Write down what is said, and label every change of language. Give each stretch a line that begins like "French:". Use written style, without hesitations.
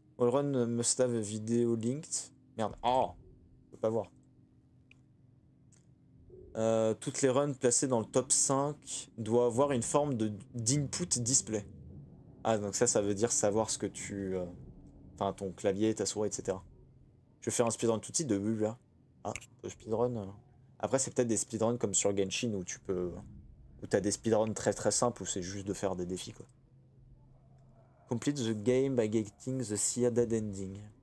English: All run must have a video linked.
French: Merde. Oh! Je peux pas voir. Toutes les runs placées dans le top 5 doivent avoir une forme d'input display. Ah, donc ça veut dire savoir ce que tu. Enfin, ton clavier, ta souris, etc. Je vais faire un speedrun tout de suite de vue, là. Ah, speedrun. Après, c'est peut-être des speedruns comme sur Genshin où tu peux. Où t'as des speedruns très très simples où c'est juste de faire des défis, quoi.
English: Complete the game by getting the Sia Dead Ending.